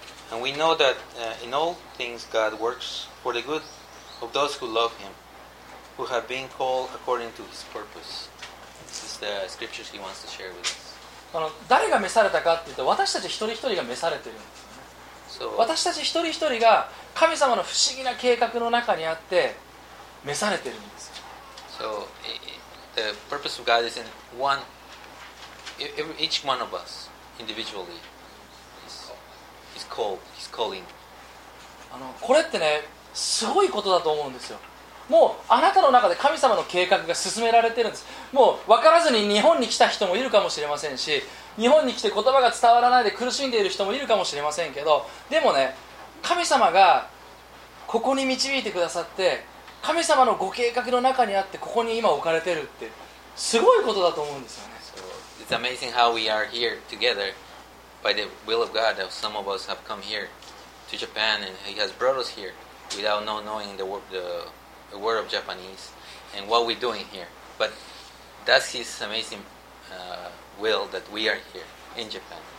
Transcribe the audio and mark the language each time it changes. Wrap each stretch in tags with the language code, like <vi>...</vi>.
<en>And we know that in all things God works for the good of those who love Him, who have been called according to His purpose. This is the scriptures He wants to share with us.</en> <ja>誰が召されたかって言うと、私たち一人一人が召されてるんですよね。</ja> <en>So,</en> <ja>私たち一人一人が神様の不思議な計画の中にあって召されてるんですよ。</ja> <en>So, the purpose of God is in one, each one of us individually. He's calling.</en> <ja>これってね、すごいことだと思うんですよ。もうあなたの中で神様の計画が進められてるんです。もう分からずに日本に来た人もいるかもしれませんし、日本に来て言葉が伝わらないで苦しんでいる人もいるかもしれませんけど、でもね、神様がここに導いてくださって、神様のご計画の中にあってここに今置かれてるって、すごいことだと思うんですよね。</ja> <en>So, It's amazing how we are here togetherby the will of God that some of us have come here to Japan and He has brought us here without knowing the word of Japanese and what we're doing here. But that's His amazing will that we are here in Japan.</en>